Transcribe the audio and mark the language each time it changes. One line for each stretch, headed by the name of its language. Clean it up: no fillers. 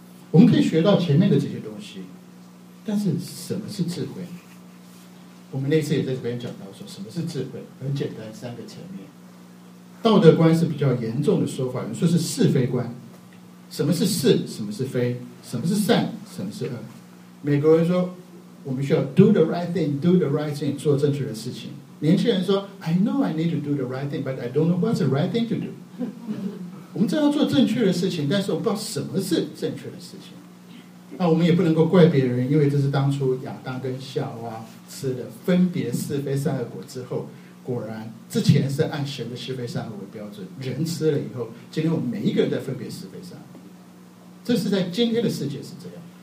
Chinese: 我们可以学到前面的这些东西，但是什么是智慧？我们那次也在这边讲到说，什么是智慧？很简单，三个层面。道德观是比较严重的说法，有人说是是非观，什么是是，什么是非，什么是善，什么是恶。美国人说我们需要
English: do the right thing，
Chinese: do the right thing， 做正确的事情。年轻人说
English: I know I need to do the right thing but I don't know what's the right thing to do。
Chinese: 我们知道做正确的事情，但是我不知道什么是正确的事情。那我们也不能够怪别人，因为这是当初亚当跟夏娃吃的分别是非善恶果之后，果然之前是按神的是非善恶为标准，人吃了以后，今天我们每一个人在分别是非善恶，这是在今天的世界是这样。